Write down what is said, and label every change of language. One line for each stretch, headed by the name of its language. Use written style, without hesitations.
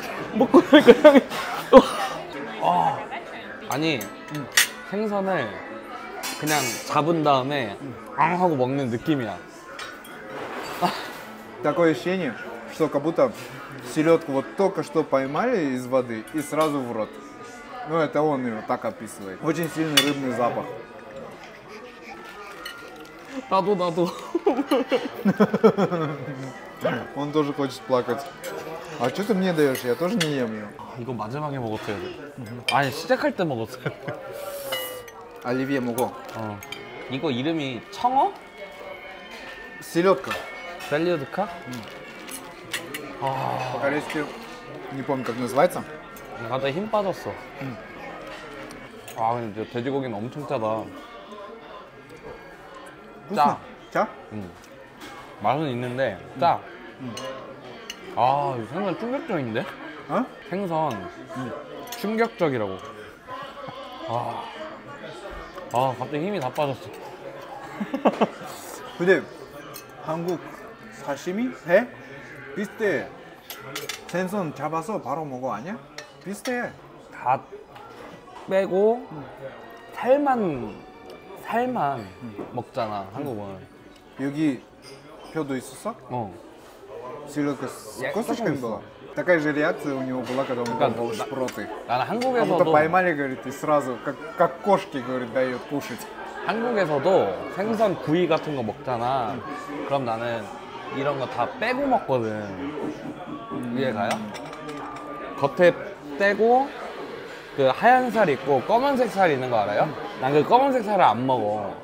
Korean: <목소리가 아, 아니 생선을 그냥 잡은 다음에 앙 하고 먹는 느낌이야.
Russian: Такое ощущение, что как будто селедку вот только что поймали из воды и сразу в рот. Ну это он его так описывает. Очень сильный рыбный запах.
Korean: 나도 나도.
Russian: Он тоже хочет плакать. А что ты мне даешь? Я тоже не ем ее.
Korean: 이거 마지막에 먹었어야 돼. 아니, 시작할 때 먹었어요. 알리비에 먹어. 이거 이름이 청어? 셀리오드카. 셀리오드카?
Russian: по-корейски не помню, как называется.
Korean: 나도 힘 빠졌어. 아, 근데 돼지고기는 엄청 짜다. 짜. 짜? 맛은 있는데 짜. 아, 생선 충격적인데? 어? 생선 충격적이라고. 아, 아 갑자기 힘이 다 빠졌어. 근데 한국 사시미? 해? 비슷해. 생선 잡아서 바로 먹어 아니야? 비슷해. 다 빼고 살만 먹잖아, 한국은. 여기 표도 있었어? 어.
Russian: Селедка с косточками была? Такая же реакция у него была, когда он был шпроты. Как будто поймали, говорит, и сразу, как кошки, говорит, дают кушать. В Корее тоже
Korean: 생선 구이 같은 거 먹잖아. 그럼 나는 이런 거 다 빼고 먹거든. 위에 가요? 겉에 떼고 그 하얀 살 있고 검은색 살 있는 거 알아요? 난 그 검은색 살을 안 먹어.